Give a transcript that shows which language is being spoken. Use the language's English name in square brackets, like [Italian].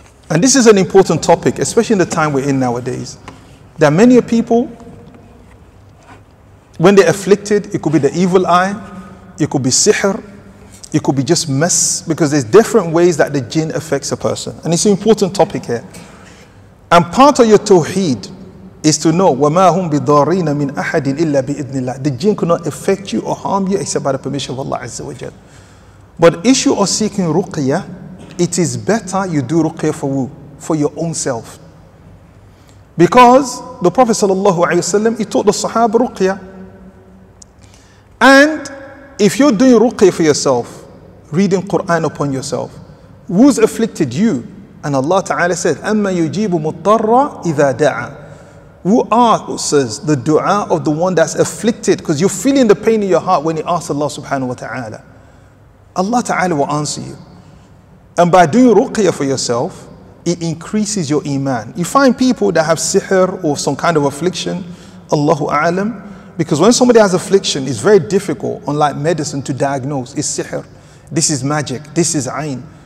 [English] And this is an important topic, especially in the time we're in nowadays. There are many people, when they're afflicted, it could be the evil eye, it could be sihr, it could be just mess, because there's different ways that the jinn affects a person. And it's an important topic here. And part of your tawheed, is to know [Arabic] وَمَا هُمْ بِضَارِينَ مِنْ أَحَدٍ إِلَّا بِإِذْنِ اللَّهِ. [English] The jinn cannot affect you or harm you except by the permission of Allah Azza wa Jal. But issue of seeking ruqya, it is better you do ruqya for your own self. Because the Prophet sallallahu alayhi wa sallam, he taught the sahaba ruqya. And if you're doing ruqya for yourself, reading Quran upon yourself, who's afflicted you? And Allah Ta'ala said, [Arabic] أَمَّا يُجِيبُ مُطَّرَّ إِذَا دَعَى. [English] Who answers the dua of the one that's afflicted? Because you're feeling the pain in your heart when you ask Allah subhanahu wa ta'ala. Allah Ta'ala will answer you. And by doing ruqya for yourself, it increases your iman. You find people that have sihr or some kind of affliction, Allahu A'lam, because when somebody has affliction, it's very difficult, unlike medicine, to diagnose. It's sihr. This is magic. This is ayn.